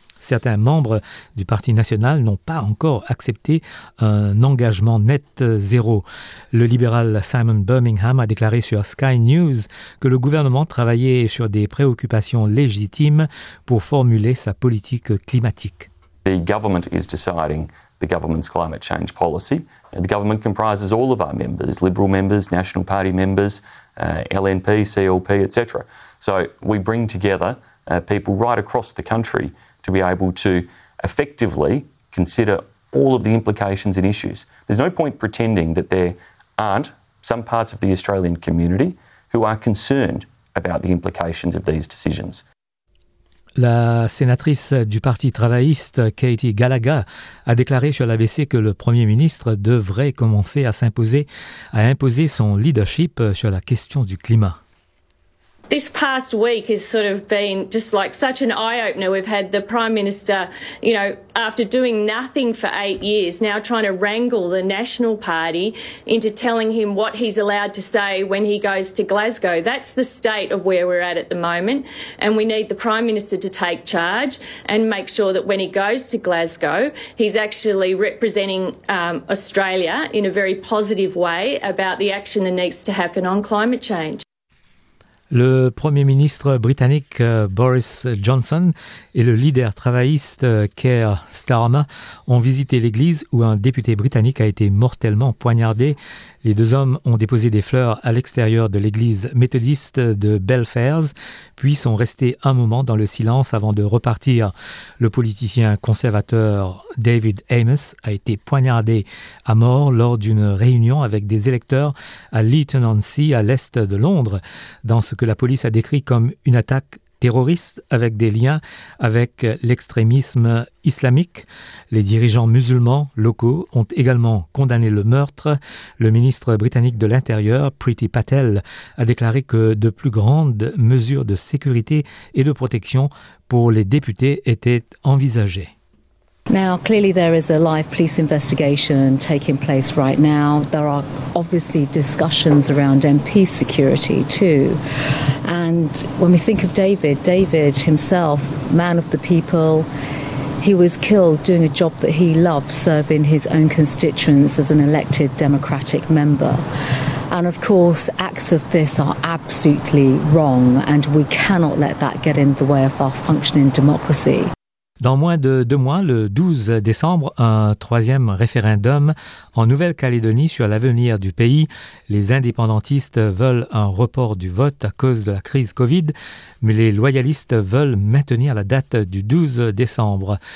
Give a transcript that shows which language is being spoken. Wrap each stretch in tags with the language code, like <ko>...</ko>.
<fr>Certains membres du Parti national n'ont pas encore accepté un engagement net zéro. Le libéral Simon Birmingham a déclaré sur Sky News que le gouvernement travaillait sur des préoccupations légitimes pour formuler sa politique climatique.</fr> <en>The government is deciding the government's climate change policy. The government comprises all of our members, Liberal members, National Party members, LNP, CLP, etc. So we bring together people right across the country to be able to effectively consider all of the implications and issues. There's no point pretending that there aren't some parts of the Australian community who are concerned about the implications of these decisions.</en> <fr>La sénatrice du Parti travailliste, Katie Gallagher, a déclaré sur l'ABC que le Premier ministre devrait commencer à s'imposer, à imposer son leadership sur la question du climat.</fr> <en>This past week has sort of been just like such an eye-opener. We've had the Prime Minister, you know, after doing nothing for 8 years, now trying to wrangle the National Party into telling him what he's allowed to say when he goes to Glasgow. That's the state of where we're at the moment. And we need the Prime Minister to take charge and make sure that when he goes to Glasgow, he's actually representing Australia in a very positive way about the action that needs to happen on climate change.</en> <fr>Le Premier ministre britannique Boris Johnson et le leader travailliste Keir Starmer ont visité l'église où un député britannique a été mortellement poignardé. Les deux hommes ont déposé des fleurs à l'extérieur de l'église méthodiste de Belfairs, puis sont restés un moment dans le silence avant de repartir. Le politicien conservateur David Amos a été poignardé à mort lors d'une réunion avec des électeurs à Leighton-on-Sea, à l'est de Londres, dans ce que la police a décrit comme une attaque terroriste avec des liens avec l'extrémisme islamique. Les dirigeants musulmans locaux ont également condamné le meurtre. Le ministre britannique de l'Intérieur, Priti Patel, a déclaré que de plus grandes mesures de sécurité et de protection pour les députés étaient envisagées.</fr> <en>Now, clearly there is a live police investigation taking place right now. There are obviously discussions around MP security too. And when we think of David, David himself, man of the people, he was killed doing a job that he loved, serving his own constituents as an elected democratic member. And of course, acts of this are absolutely wrong, and we cannot let that get in the way of our functioning democracy.</en> <fr>Dans moins de 2 mois, le 12 décembre, un troisième référendum en Nouvelle-Calédonie sur l'avenir du pays. Les indépendantistes veulent un report du vote à cause de la crise Covid, mais les loyalistes veulent maintenir la date du 12 décembre.</fr>